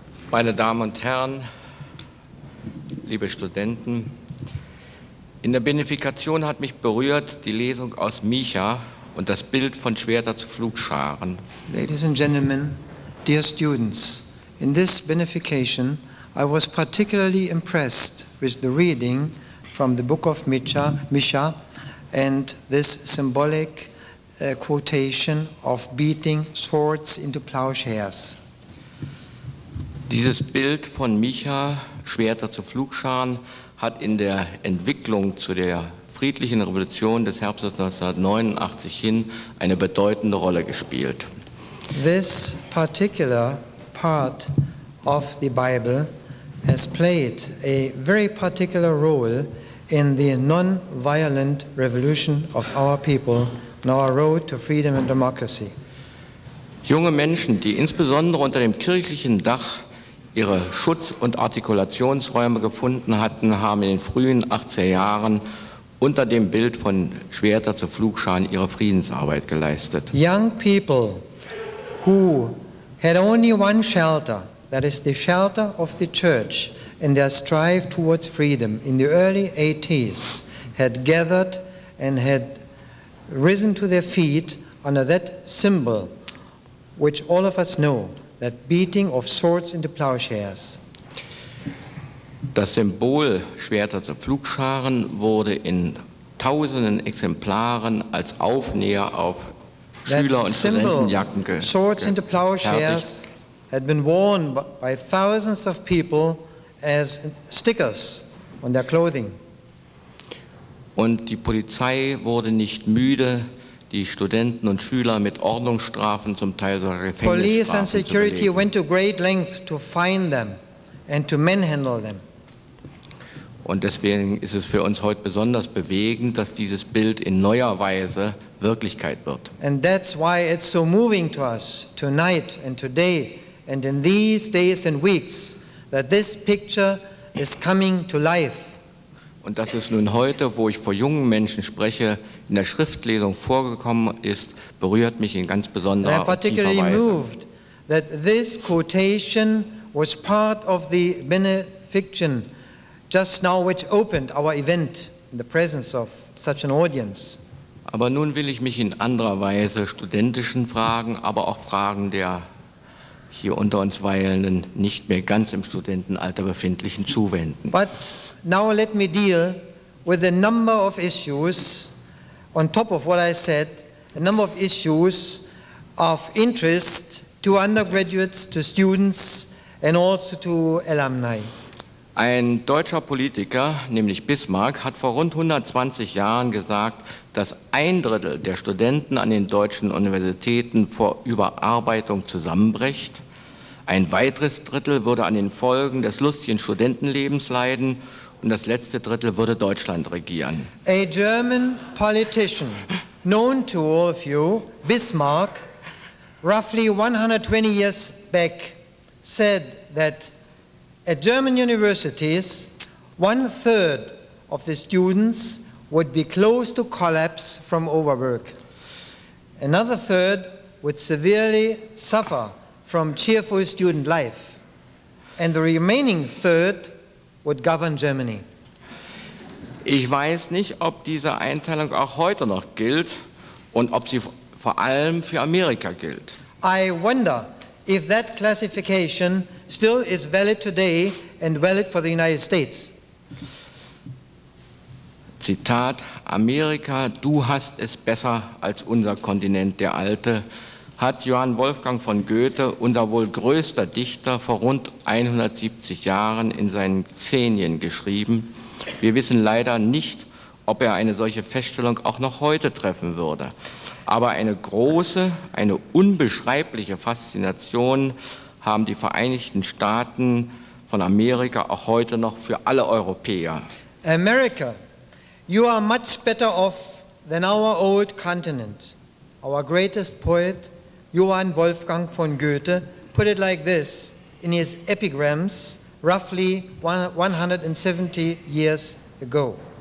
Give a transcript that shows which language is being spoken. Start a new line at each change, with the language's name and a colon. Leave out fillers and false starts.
German: Meine Damen und Herren, liebe Studenten, in der Benefikation hat mich berührt die Lesung aus Micha und das Bild von Schwerter zu Flugscharen.
English: Ladies and gentlemen, dear students, in this Benefikation I was particularly impressed with the reading from the book of Micha and this symbolic quotation of beating swords into plowshares.
German: Dieses Bild von Micha, Schwerter zu Flugscharen, hat in der Entwicklung zu der friedlichen Revolution des Herbstes 1989 hin eine bedeutende Rolle gespielt.
English: This particular part of the Bible has played a very particular role in the non-violent revolution of our people, our road to freedom and democracy.
German: Junge Menschen, die insbesondere unter dem kirchlichen Dach ihre Schutz- und Artikulationsräume gefunden hatten, haben in den frühen 80er Jahren unter dem Bild von Schwerter zu Flugscharen ihre Friedensarbeit geleistet.
English: Young people who had only one shelter, that is the shelter of the church, in their strive towards freedom in the early 80s, had gathered and had risen to their feet under that symbol, which all of us know. That beating of swords into plowshares.
German: Das Symbol Schwerter zu Flugscharen wurde in tausenden Exemplaren als Aufnäher auf Schüler- und Studentenjacken gefertigt.
English: Swords into plowshares had been worn by thousands of people as stickers on their clothing.
German: Und die Polizei wurde nicht müde, die Studenten und Schüler mit Ordnungsstrafen, zum Teil sogar Gefängnisstrafen, zu belegen.
English: Police and security went to great lengths to find them and to manhandle them.
German: Und deswegen ist es für uns heute besonders bewegend, dass dieses Bild in neuer Weise Wirklichkeit wird.
English: And that's why it's so moving to us tonight and today and in these days and weeks that this picture is coming to life.
German: Und das ist nun heute, wo ich vor jungen Menschen spreche, in der Schriftlesung vorgekommen ist, berührt mich in ganz besonderer Weise.
English: I'm particularly moved that this quotation was part of the benediction just now which opened our event in the presence of such an audience.
German: Aber nun will ich mich in anderer Weise studentischen Fragen, aber auch Fragen der hier unter uns weilenden, nicht mehr ganz im Studentenalter befindlichen, zuwenden.
English: But now let me deal with a number of issues on top of what I said, a number of issues of interest to undergraduates, to students and also to alumni.
German: Ein deutscher Politiker, nämlich Bismarck, hat vor rund 120 Jahren gesagt, dass ein Drittel der Studenten an den deutschen Universitäten vor Überarbeitung zusammenbricht. Ein weiteres Drittel würde an den Folgen des lustigen Studentenlebens leiden und das letzte Drittel würde Deutschland regieren.
English: A German politician, known to all of you, Bismarck, roughly 120 years back, said that at German universities, one third of the students would be close to collapse from overwork. Another third would severely suffer from cheerful student life. And the remaining third would govern Germany.
German: Ich weiß nicht, ob diese Einteilung auch heute noch gilt und ob sie vor allem für Amerika gilt.
English: I wonder if that classification still is valid today and valid for the United States.
German: Zitat: Amerika, du hast es besser als unser Kontinent, der Alte, hat Johann Wolfgang von Goethe, unser wohl größter Dichter, vor rund 170 Jahren in seinen Xenien geschrieben. Wir wissen leider nicht, ob er eine solche Feststellung auch noch heute treffen würde. Aber eine große, eine unbeschreibliche Faszination haben die Vereinigten Staaten von Amerika auch heute noch für alle Europäer.
English: America, you are much better off than our old continent. Our greatest poet, Johann Wolfgang von Goethe, put it like this in his epigrams, roughly 170 years ago.